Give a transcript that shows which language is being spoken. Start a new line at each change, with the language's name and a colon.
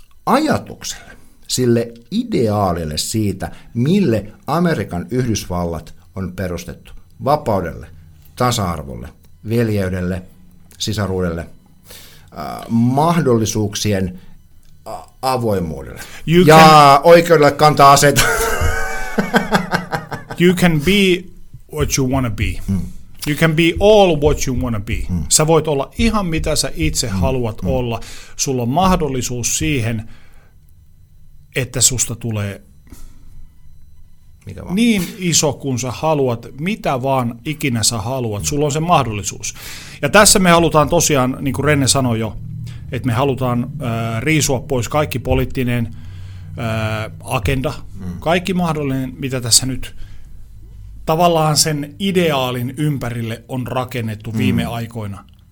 Finnish: ajatukselle, sille ideaalille siitä, mille Amerikan Yhdysvallat on perustettu: vapaudelle, tasa-arvolle, veljeydelle, sisaruudelle, mahdollisuuksien avoimuudelle ja oikeudelle kantaa aseita.
English: You can be what you want to be. You can be all what you want to be.
Finnish: Sä voit olla ihan mitä sä itse haluat olla. Sulla on mahdollisuus siihen, että susta tulee mikä vaan niin iso kuin sä haluat, mitä vaan ikinä sä haluat. Sulla on se mahdollisuus. Ja tässä me halutaan tosiaan, niin kuin Renne sanoi jo, että me halutaan riisua pois kaikki poliittinen agenda, kaikki mahdollinen, mitä tässä nyt tavallaan sen ideaalin ympärille on rakennettu viime aikoina.